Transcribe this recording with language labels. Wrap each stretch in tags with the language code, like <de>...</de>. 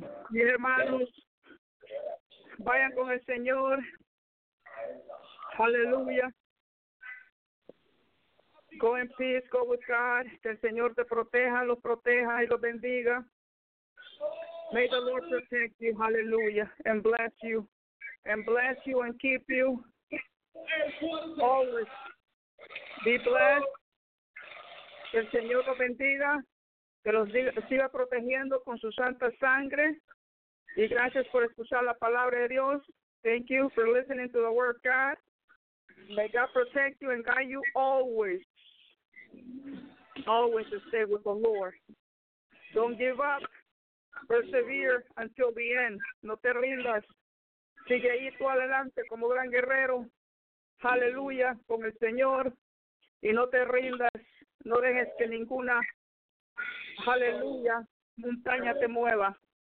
<es>Mis hermanos, vayan con el Señor. Hallelujah.</es> <en>Go in peace, go with God.</en> <es>Que el Señor te proteja, los proteja y los bendiga.</es> <en>May the Lord protect you, hallelujah, and bless you. And bless you and keep you. Always be blessed.</en> <es>Que el Señor los bendiga. Que los siga protegiendo con su santa sangre. Y gracias por escuchar la palabra de Dios.</es> <en>Thank you for listening to the word of God. May God protect you and guide you always. Always to stay with the Lord. Don't give up. Persevere until the end.</en> <es>No te rindas. Sigue ahí tú adelante como gran guerrero. Aleluya con el Señor. Y no te rindas. No dejes que ninguna, aleluya, montaña te mueva.</es>